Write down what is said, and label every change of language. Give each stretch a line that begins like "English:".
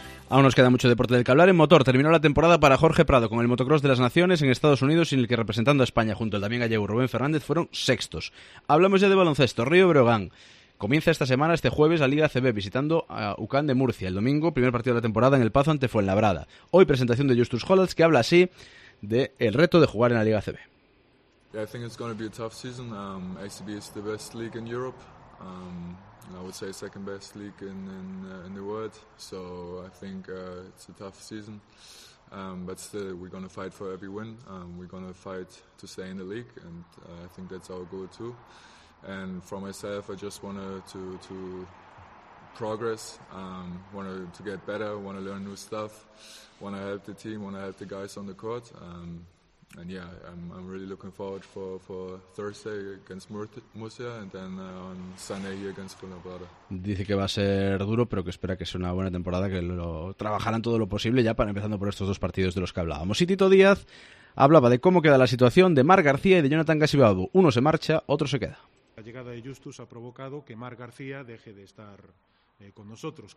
Spanish: Aún nos queda mucho deporte del que hablar. En motor, terminó la temporada para Jorge Prado con el motocross de las Naciones en Estados Unidos, en el que representando a España junto al también gallego Rubén Fernández fueron sextos. Hablamos ya de baloncesto. Río Breogán comienza esta semana, este jueves, la Liga ACB visitando a UCAN de Murcia. El domingo, primer partido de la temporada en El Pazo ante Fuenlabrada. Hoy, presentación de Justus Hollands, que habla así de el reto de jugar en la Liga ACB.
English: Yeah, I think it's going to be a tough season. ACB is the best league in Europe. I would say second best league in the world. So I think it's a tough season. But still, we're going to fight for every win. We're going to fight to stay in the league, and I think that's our goal too. And for myself, I just want to progress, want to get better, want to learn new stuff, want to help the team, want to help the guys on the court. I'm really looking forward for Thursday against Murcia and then on Sunday here against Fuenlabrada.
Spanish: Dice que va a ser duro, pero que espera que sea una buena temporada, que lo trabajarán todo lo posible ya, para empezando por estos dos partidos de los que hablábamos. Y Tito Díaz hablaba de cómo queda la situación de Marc García y de Jonathan Casibabu. Uno se marcha, otro se queda. La llegada de Justus ha provocado que Marc García deje de estar con nosotros.